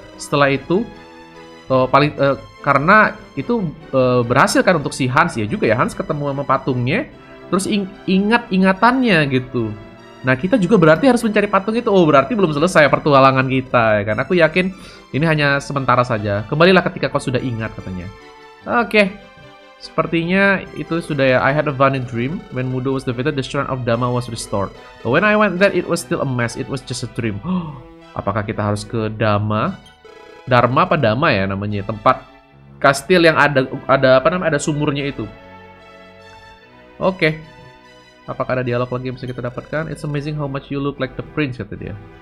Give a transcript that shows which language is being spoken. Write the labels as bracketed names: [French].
[Indonesian] Setelah itu, karena itu berhasil kan untuk si Hans, ya juga ya, Hans ketemu sama patungnya, terus ingat-ingatannya gitu. Nah, kita juga berarti harus mencari patung itu. Oh, berarti belum selesai pertualangan kita, ya kan? Aku yakin ini hanya sementara saja. Kembalilah ketika kau sudah ingat, katanya. Oke. Okay. Sepertinya itu sudah ya. [English] I had a vanished dream. When Mudo was defeated, the strength of Dhamma was restored. But when I went there, it was still a mess. It was just a dream. [Indonesian] Apakah kita harus ke Dhamma? Dharma apa Dhamma ya namanya? Tempat kastil yang ada apa namanya? Ada sumurnya itu. Oke. Okay. Apakah ada dialog lagi yang bisa kita dapatkan? [English] It's amazing how much you look like the prince, [Indonesian] kata dia.